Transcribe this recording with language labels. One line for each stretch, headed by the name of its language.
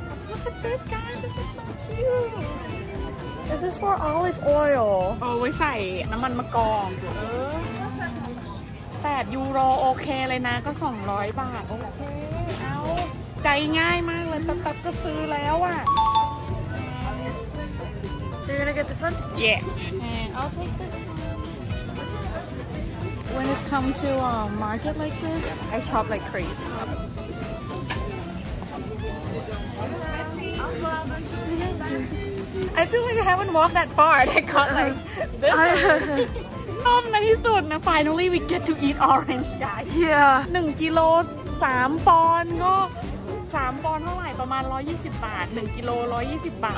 English: Look at this guys this is so cute This is for olive oil
Thai: เอาไว้ใส่น้ำมันมะกอก8ยูโรโอเคเลยนะก็200บาทโอเคเอาใจง่ายมากเลยตับๆก็ซื้อแล้วอะ
English: So you're gonna get this one? And I'll take this one. When it's come to market like this, I shop like crazy. Hello. Hello. I feel like I haven't walked that far and I got like this one. Mom,
Thai: ในที่สุดนะ
English: finally we get to eat orange, guys. Yeah.
Thai: 1 กิโล 3 ปอนด์ก็3ปอนด์เท่าไหร่ประมาณ120บาท1กิโล120บาท